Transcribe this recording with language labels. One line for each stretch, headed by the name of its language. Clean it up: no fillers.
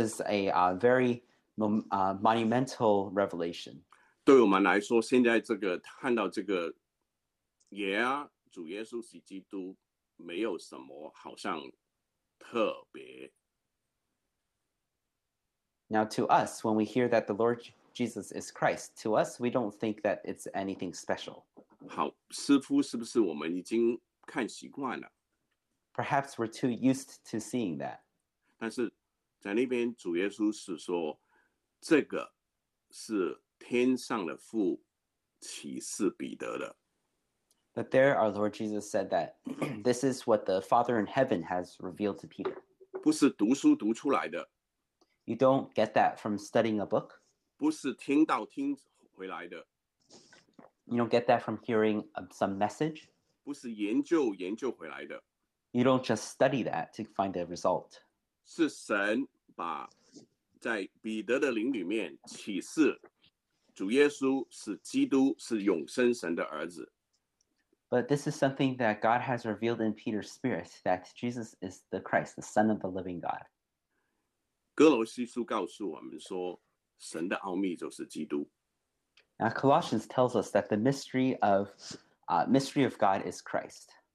English: This is a very monumental revelation.
Chinese: 对我们来说，现在这个看到这个，耶啊，主耶稣是基督，没有什么好像特别。
English: Now, to us, when we hear that the Lord Jesus is Christ, to us, we don't think that it's anything special.
Chinese: 好，似乎是不是我们已经看习惯了
English: ？Perhaps we're too used to seeing that.
Chinese: 但是在那边，主耶稣是说，这个是天上的父启示彼得的。
English: But there, our Lord Jesus said that this is what the Father in heaven has revealed to Peter.
Chinese: 不是读书读出来的。
English: You don't get that from studying a book.
Chinese: 不是听到听回来的。
English: You don't get that from hearing some message.
Chinese: 不是研究研究回来的。
English: You don't just study that to find the result.
Chinese: 是神把在彼得的灵里面启示主耶稣是基督，是永生神的儿子。
English: But this is something that God has revealed in Peter's spirit, that Jesus is the Christ, the Son of the living God.
Chinese: 哥罗西书告诉我们说，神的奥秘就是基督。
English: Now, Colossians tells us that the mystery of God is Christ.